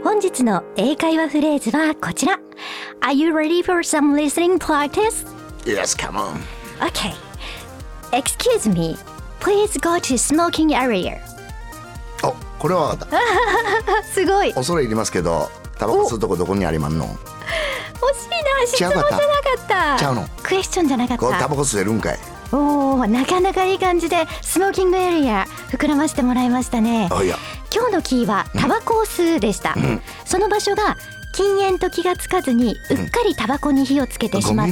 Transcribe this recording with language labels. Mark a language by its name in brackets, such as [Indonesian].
[Japanese] 本日の英会話フレーズはこちら。 [English] Are you ready for some listening practice? Yes, come on. Okay. Excuse me. Please go to smoking area. [Japanese] お、これは分かった。すごい。恐れ入りますけど、タバコ吸うとこどこにありまんの？惜しいな。質問じゃなかった。ちゃうの？クエスチョンじゃなかった。タバコ吸えるんかい？おお、なかなかいい感じでスモーキングエリア膨らませてもらいましたね。あ、いや、今日のキーはタバコを吸うでした、うん、その場所が禁煙と気がつかずにうっかりタバコに火をつけてしまった、